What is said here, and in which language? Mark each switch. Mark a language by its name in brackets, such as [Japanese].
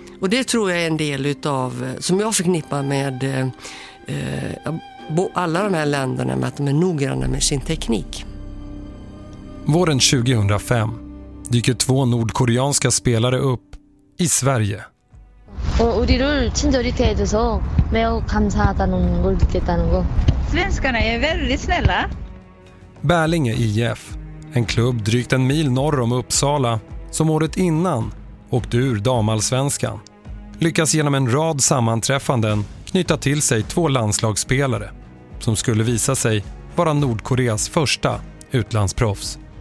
[Swedish] Och det tror jag är en del av, som jag förknippar med alla de här länderna, med att de är noggranna med sin teknik. Våren 2005 dyker 2 nordkoreanska spelare upp i Sverige. [Korean] 우리를 친절히 대해줘서 매우 감사하다는 걸 느꼈다는 거. [Swedish] Svenskarna är väldigt snälla. Berlinge IF, en klubb drygt en mil norr om Uppsala, som året innan åkte ur damallsvenskan, lyckas genom en rad sammanträffanden knyta till sig 2 landslagsspelare som skulle visa sig vara Nordkoreas första utlandsproffs.